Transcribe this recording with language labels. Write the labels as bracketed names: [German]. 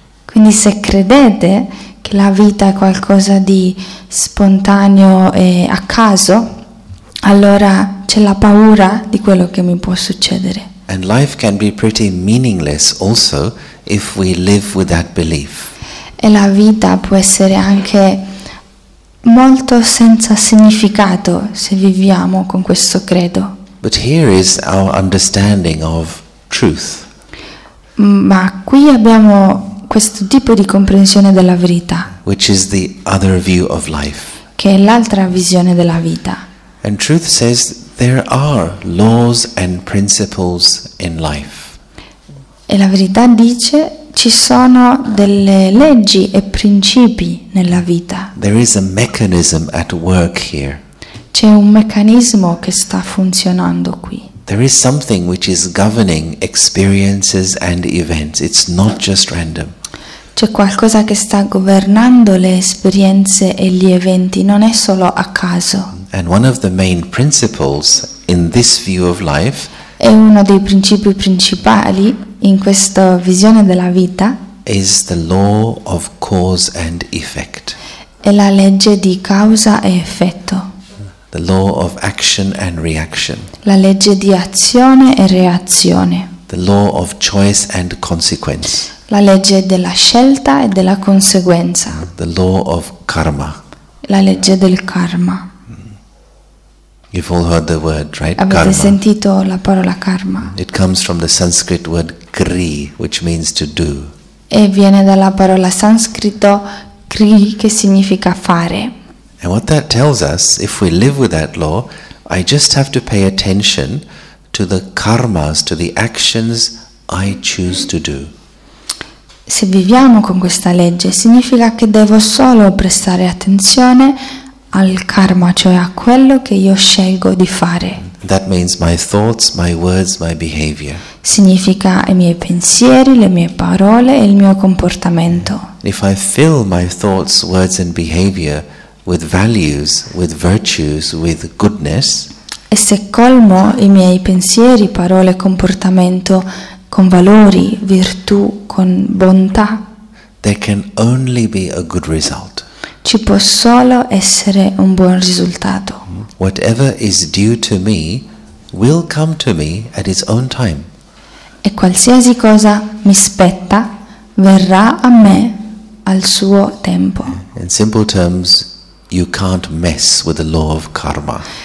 [Italian] Quindi se credete che la vita è qualcosa di spontaneo e a caso, allora c'è la paura di quello che mi può succedere. [English] And life can be pretty meaningless also if we live with that belief. [Italian] E la vita può essere anche molto senza significato se viviamo con questo credo. [English] But here is our understanding of truth. [Italian] Ma qui abbiamo questo tipo di comprensione della verità, [English] which is the other view of life, [Italian] che è l'altra visione della vita. [English] And truth says there are laws and principles in life. [Italian] E la verità dice ci sono delle leggi e principi nella vita. [English] There is a mechanism at work here. [Italian] C'è un meccanismo che sta funzionando qui. [English] There is something which is governing experiences and events. It's not just random. [Italian] C'è qualcosa che sta governando le esperienze e gli eventi, non è solo a caso. [English] And one of the main principles in this view of life, [Italian] è uno dei principi principali in questa visione della vita, [English] is the law of cause and effect. [Italian] È la legge di causa e effetto. [English] The law of action and reaction. [Italian] La legge di azione e reazione. [English] The law of choice and consequence. [Italian] La legge della scelta e della conseguenza. [English] The law of karma. [Italian] La legge del karma. [English] You've all heard the word, right? [Italian] Avete karma. Sentito la parola karma? [English] It comes from the Sanskrit word kri, which means to do. [Italian] E viene dalla parola sanscrito kri, che significa fare. [English] And what that tells us, if we live with that law, I just have to pay attention to the karmas, to the actions I choose to do. [Italian] Se viviamo con questa legge, significa che devo solo prestare attenzione al karma, cioè a quello che io scelgo di fare. [English] That means my thoughts, my words, my behavior. [Italian] Significa i miei pensieri, le mie parole e il mio comportamento. [English] If I fill my thoughts, words and behavior with values, with virtues, with goodness, [Italian] e se colmo i miei pensieri, parole, comportamento con valori, virtù, con bontà, [English] there can only be a good result. [Italian] Ci può solo essere un buon risultato. [English] Whatever is due to me will come to me at its own time. [Italian] E qualsiasi cosa mi spetta verrà a me al suo tempo. [English] In simple terms, you can't mess with the law of karma.